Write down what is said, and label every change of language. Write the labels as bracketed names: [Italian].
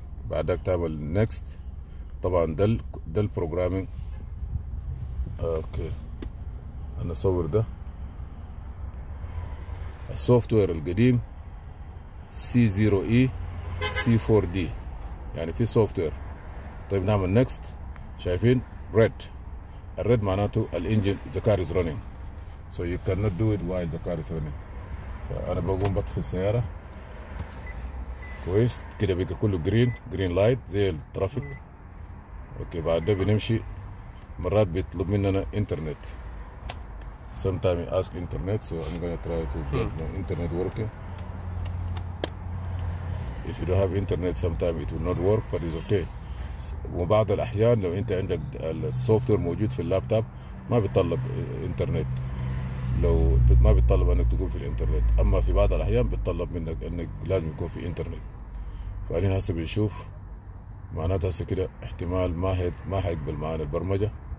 [Arabic] بعدك تعمل next. طبعا دل بروغرامينج. اوكي انا صور ده السوفت وير القديم C0E C4D، يعني في سوفت وير. طيب نعمل next. شايفين red؟ الريد معناته الانجن [English] the car is running. So you cannot do it while the car is running. [Arabic] فأنا بقوم بطفي السيارة. كويس كده بقى كله green light زي الترافيك. اوكي بعد ده بنمشي. مرات بيطلب مننا انترنت. [English] Sometimes ask internet, so I'm gonna try to get my internet working. If you don't have internet, sometimes it will not work, but it's okay. [Arabic] وبعض الاحيان لو انت عندك السوفت وير موجود في اللابتوب ما بيطلب انترنت. لو ما بيتطلب انك تكون في الانترنت، اما في بعض الاحيان بيتطلب منك انك لازم يكون في انترنت. فقالين هسه بنشوف، معناتها هسه كده احتمال ما حيقبل معانا البرمجة.